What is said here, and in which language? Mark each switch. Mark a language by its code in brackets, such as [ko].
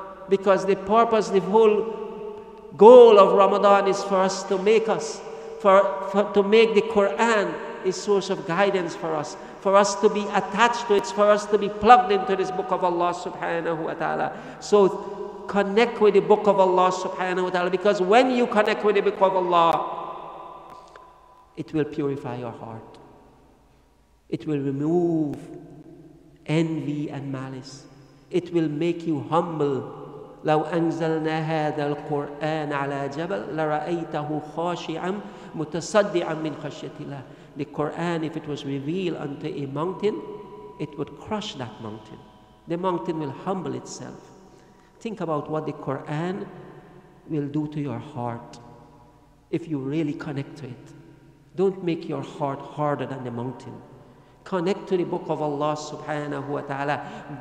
[en] Because the purpose, the whole goal of Ramadan is for us to make us, for to make the Quran a source of guidance for us, for us to be attached to it, for us to be plugged into this Book of Allah subhanahu wa ta'ala. So connect with the Book of Allah subhanahu wa ta'ala, because when you connect with the Book of Allah, it will purify your heart. It will remove envy and malice. It will make you humble. [ar] لو أنزلنا هذا القرآن على جبل لرأيته خاشعا متصدعا من خشية الله. [en] The Quran, if it was revealed unto a mountain, it would crush that mountain. The mountain will humble itself. Think about what the Quran will do to your heart if you really connect to it. Don't make your heart harder than the mountain. Connect to the Book of Allah subhanahu wa ta'ala.